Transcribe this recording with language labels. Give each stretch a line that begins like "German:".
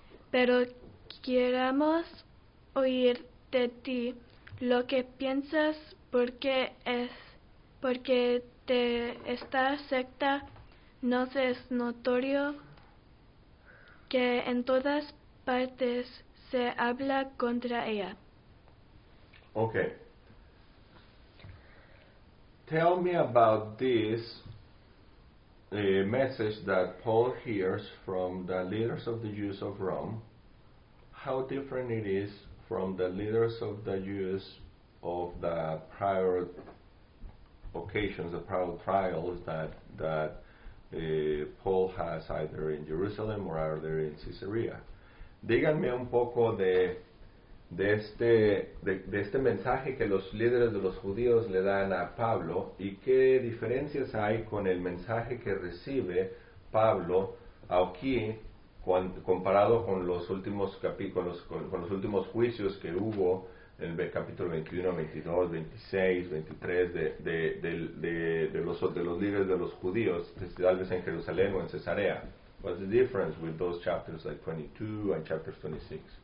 Spanish: Pero queramos oír de ti lo que piensas, porque de esta secta nos es notorio que en todas partes se habla contra ella.
English: Okay. Tell me about this message that Paul hears from the leaders of the Jews of Rome. How different it is from the leaders of the Jews of the prior occasions, the prior trials that Paul has either in Jerusalem or either in Caesarea.
Spanish: Díganme un poco de este mensaje que los líderes de los judíos le dan a Pablo, y qué diferencias hay con el mensaje que recibe Pablo aquí comparado con los últimos capítulos, con los últimos juicios que hubo en el capítulo 21, 22, 26, 23 de los líderes de los judíos, tal vez en Jerusalén o en Cesarea.
English: What's the difference with those chapters like 22 and chapter 26?